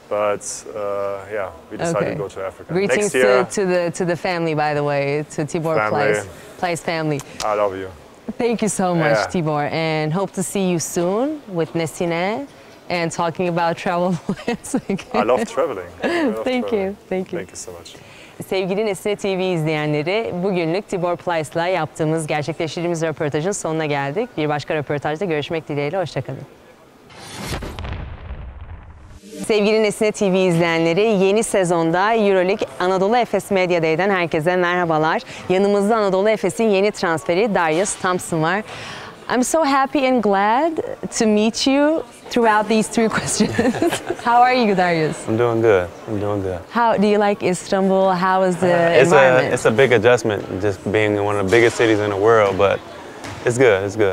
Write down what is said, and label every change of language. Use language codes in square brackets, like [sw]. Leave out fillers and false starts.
[en] But yeah, we decided to go to Africa. Greetings next year, to the family, by the way, to Tibor Pleiss family. I love you. Thank you so much, yeah. Tibor. And hope to see you soon with Nesine and talking about travel plans again. I love traveling. Thank you so much. [tr] Sevgili Nesine TV izleyenleri, bugünlük Tibor Pleiss'la yaptığımız, gerçekleştirdiğimiz röportajın sonuna geldik. Bir başka röportajda görüşmek dileğiyle, hoşçakalın. Sevgili Nesine TV izleyenleri, yeni sezonda EuroLeague Anadolu Efes Medya'dan herkese merhabalar. Yanımızda Anadolu Efes'in yeni transferi Darius Thompson var. [en] I'm so happy and glad to meet you throughout these three questions. How are you, Darius? I'm doing good. How do you like Istanbul? How is the environment? It's a big adjustment, just being in one of the biggest cities in the world, but it's good.